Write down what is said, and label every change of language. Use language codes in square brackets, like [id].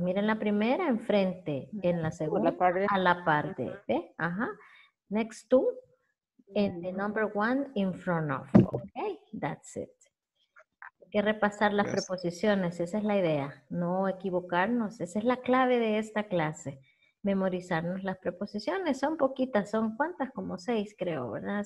[es] Miren la primera enfrente, en la segunda a la par de, ¿ve? Ajá. [en] Next to, and the number one in front of. Okay, that's it. [es] Hay que repasar las preposiciones, esa es la idea. No equivocarnos, esa es la clave de esta clase. Memorizarnos las preposiciones, son poquitas, son cuántas, como seis creo, ¿verdad?